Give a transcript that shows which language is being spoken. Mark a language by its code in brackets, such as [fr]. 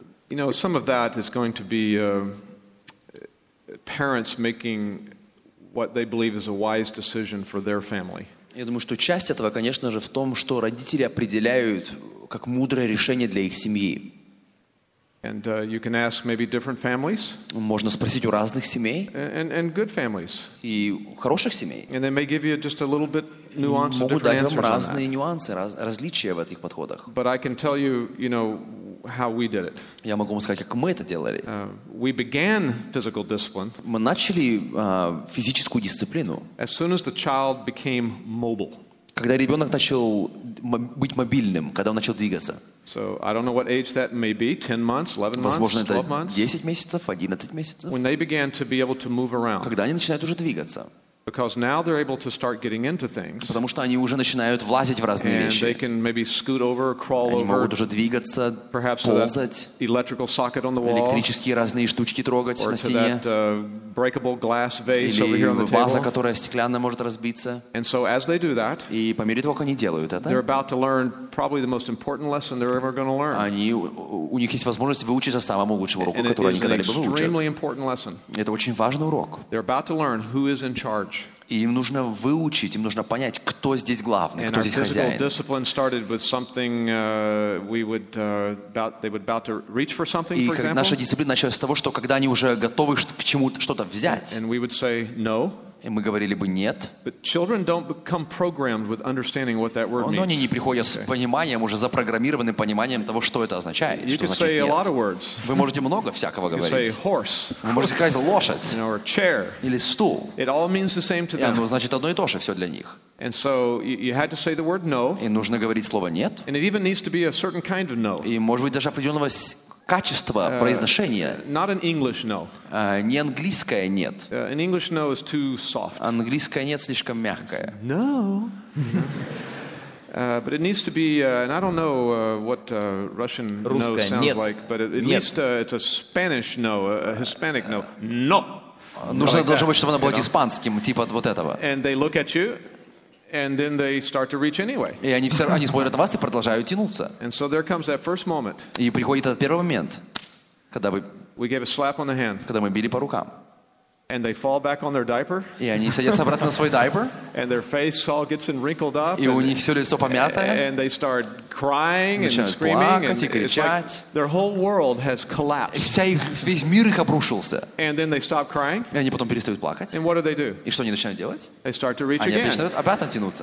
[en] You know, some of that is going to be parents making what they believe is a wise decision for their family. [ru] Я думаю, что часть этого, конечно же, в том, что родители определяют как мудрое решение для их семьи. [en] And you can ask maybe different families. [ru] Можно спросить у разных семей. [en] And good families. [ru] И хороших семей. [en] And they may give you just a little bit nuance. [ru] Могут дать вам разные нюансы, различия в этих подходах. [en] But I can tell you, you know, how we did it. [ru] Я могу вам сказать, как мы это делали. [en] We began physical discipline. [ru] Мы начали физическую дисциплину. [en] As soon as the child became mobile. [ru] Когда ребенок начал быть мобильным, когда он начал двигаться. [en] So I don't know what age that may be, 10 months, 11 months, 12 months. [ru] Возможно, это 10 месяцев, 11 месяцев. [en] When they began to be able to move around. [ru] Когда они начинают уже двигаться. [en] Because now they're able to start getting into things. [ru] Потому что они уже начинают влазить в разные вещи. [en] And they can maybe scoot over, crawl [ru] они [en] over. [ru] Они могут уже двигаться, [en] perhaps [ru] ползать. [en] Electrical socket on the wall. [ru] Электрические разные штучки трогать [en] or [ru] на стене. [en] To that, breakable glass vase [ru] или [en] over here on the [ru] ваза, [en] table. [ru] Которая стеклянная, может разбиться. [en] And so as they do that, [ru] и по мере того, как они делают это, [en] they're about to learn probably the most important lesson they're ever going to learn. [ru] Они, у них есть возможность выучиться самому лучшему уроку, который они когда-либо выучат. [en] Extremely important lesson. [ru] Это очень важный урок. [en] They're about to learn who is in charge. [ru] И им нужно выучить, им нужно понять, кто здесь главный, кто здесь хозяин. [en] And our physical discipline started with something we would they would about to reach for something, for example. [ru] И наша дисциплина началась с того, что когда они уже готовы к чему-то что-то взять. [en] And we would say no. [ru] И мы говорили бы нет. [en] But children don't become programmed with understanding what that word means. [ru] Но они не приходят с пониманием, уже запрограммированы пониманием того, что это означает. [en] You can say a lot of words. [ru] Вы можете много всякого говорить. [en] You can say horse. [ru] Вы можете сказать лошадь. [en] Or chair. [ru] Или стул. [en] It all means the same to them. [ru] Оно значит одно и то же все для них. [en] And so you had to say the word no. [ru] И нужно говорить слово нет. [en] And it even needs to be a certain kind of no. [ru] И может быть даже определенного качество произношения. [en] Not an English no. [ru] Не английское нет. [en] An English no is too soft. [ru] Английское нет слишком мягкое. [en] It's no. But it needs to be, and I don't know what Russian [ru] русское [en] no sounds [ru] нет. [en] Like, but at least it's a Spanish no, a Hispanic no. No. [ru] Нужно like должно быть, чтобы оно было испанским, типа вот этого. [en] And they look at you. And then they start to reach anyway. [ru] И они все, они смотрят на вас и продолжают тянуться. [en] And so there comes that first moment. [ru] И приходит этот первый момент, когда вы. [en] We gave a slap on the hand. [ru] Когда мы били по рукам. [en] And they fall back on their diaper. [ru] И они садятся обратно на свой дайпер. [en] And their face all gets wrinkled up. [ru] И у них все лицо помятое. [en] And they start crying and screaming [ru] and кричать. [en] Their whole world has collapsed. [ru] Весь мир их обрушился. [en] And then they stop crying. [ru] И они потом перестают плакать. [en] And what do they do? [ru] И что они начинают делать? [en] They start to reach [ru] они [en] again. [ru] Они начинают обратно тянуться.